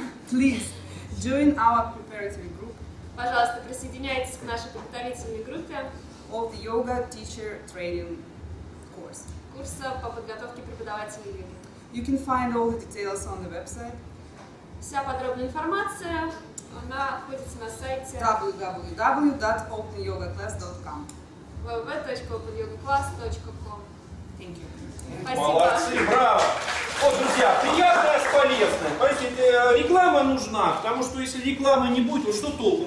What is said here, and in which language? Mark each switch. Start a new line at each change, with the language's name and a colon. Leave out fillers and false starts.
English: Please, join our preparatory group.
Russian: Пожалуйста, присоединяйтесь к нашей подготовительной группе
English: of the yoga teacher training course.
Russian: Курса по подготовке преподавателей йоги.
English: You can find all the details on the website.
Russian: Вся подробная информация, она находится на сайте
English: www.openyogaclass.com. www.openyogaclass.com. Thank you.
Russian: Молодцы, браво! Вот, друзья, приятное, полезное. Понимаете, реклама нужна, потому что если рекламы не будет, то что толку?